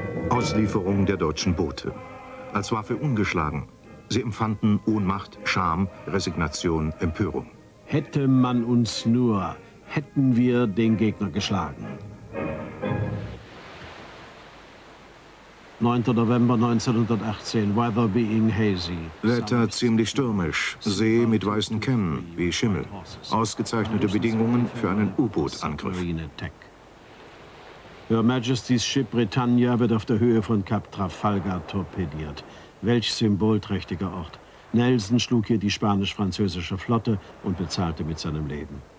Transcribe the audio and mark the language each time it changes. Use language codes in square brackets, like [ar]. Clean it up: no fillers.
[de] Auslieferung der deutschen Boote. Als Waffe ungeschlagen. Sie empfanden Ohnmacht, Scham, Resignation, Empörung. Hätte man uns nur, hätten wir den Gegner geschlagen. 9. [en] November 1918, weather being hazy. [de] Wetter ziemlich stürmisch, See mit weißen Kämmen, wie Schimmel. Ausgezeichnete Bedingungen für einen U-Boot-Angriff. Her Majesty's Ship Britannia wird auf der Höhe von Kap Trafalgar torpediert. Welch symbolträchtiger Ort. Nelson schlug hier die spanisch-französische Flotte und bezahlte mit seinem Leben.